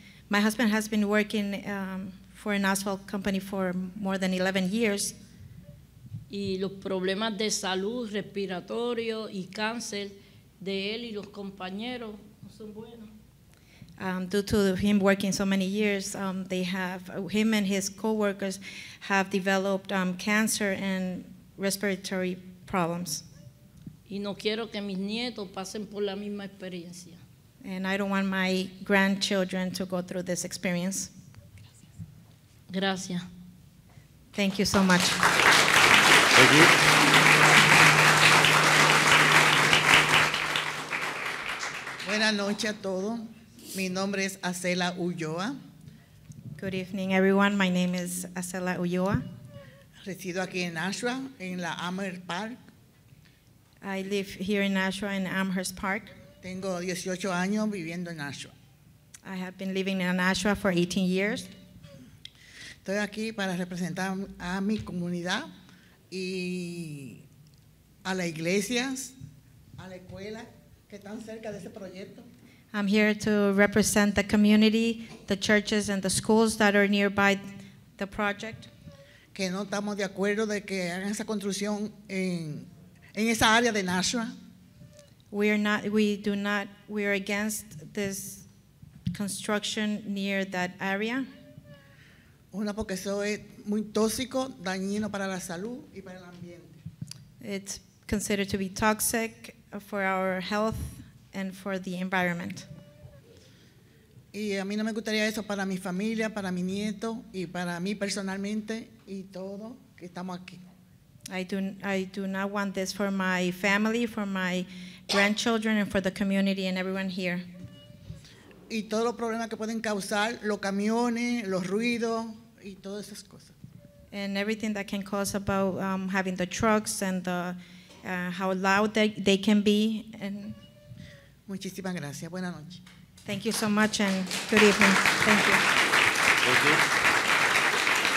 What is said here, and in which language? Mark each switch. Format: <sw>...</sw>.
<en>My husband has been working for an asphalt company for more than 11 years.</en> <es>Y los problemas de salud respiratorio y cáncer de él y los compañeros no son buenos.</es> <en>Due to him working so many years, him and his coworkers have developed cancer and respiratory problems.</en> <es>Y no quiero que mis nietos pasen por la misma experiencia.</es> <en>And I don't want my grandchildren to go through this experience.</en> <es>Gracias.</es> <en>Thank you so much. Thank you.</en> <es>Buenas noches a todos. Mi nombre es Acela Ulloa.</es> <en>Good evening, everyone. My name is Acela Ulloa.</en> <es>Resido aquí en Nashua, en la Amherst Park.</es> <en>I live here in Nashua, in Amherst Park.</en> <es>Tengo 18 años viviendo en Nashua.</es> <en>I have been living in Nashua for 18 years.</en> <es>Estoy aquí para representar a mi comunidad y a las iglesias, a la escuela que están cerca de ese proyecto.</es> <en>I'm here to represent the community, the churches, and the schools that are nearby the project.</en> <es>Que no estamos de acuerdo de que hagan esa construcción en esa área de Nashua.</es> <en>We are against this construction near that area.</en> <es>Una porque eso es muy tóxico, dañino para la salud y para el ambiente.</es> <en>It's considered to be toxic for our health and for the environment.</en> <es>Y a mí no me gustaría eso para mi familia, para mi nieto y para mí personalmente y todo que estamos aquí.</es> <en>I do not want this for my family, for my grandchildren and for the community and everyone here.</en> <es>Y todos los problemas que pueden causar los camiones, los ruidos y todas esas cosas.</es> <en>And everything that can cause about having the trucks and the how loud they can be and</en> <es>muchísimas gracias. Buenas noches.</es> <en>Thank you so much and good evening. Thank you. Thank you.</en>